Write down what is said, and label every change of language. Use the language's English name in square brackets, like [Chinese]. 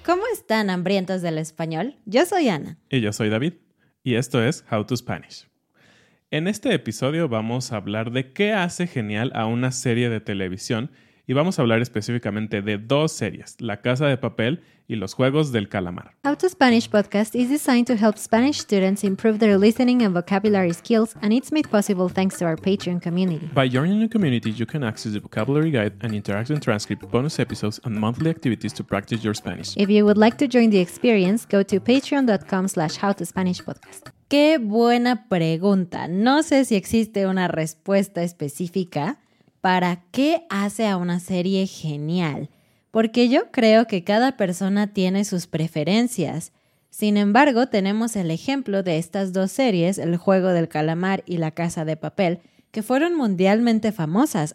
[Spanish] ¿Cómo están, hambrientos del español? Yo soy Ana. Y yo soy David. Y esto es How to Spanish. En este episodio vamos a hablar de qué hace genial a una serie de televisión y vamos a hablar específicamente de dos series, La Casa de Papel y Los Juegos del Calamar. [English] How to Spanish podcast is designed to help Spanish students improve their listening and vocabulary skills, and it's made possible thanks to our Patreon community. By joining the community, you can access the vocabulary guide, an interactive transcript, bonus episodes, and monthly activities to practice your Spanish. If you would like to join the experience, go to patreon.com/howtospanishpodcast. [Spanish] ¡Qué buena pregunta! No sé si existe una respuesta específica para qué hace a una serie genial. Porque yo creo que cada persona tiene sus preferencias. Sin embargo, tenemos el ejemplo de estas dos series, El Juego del Calamar y La Casa de Papel, que fueron mundialmente famosas.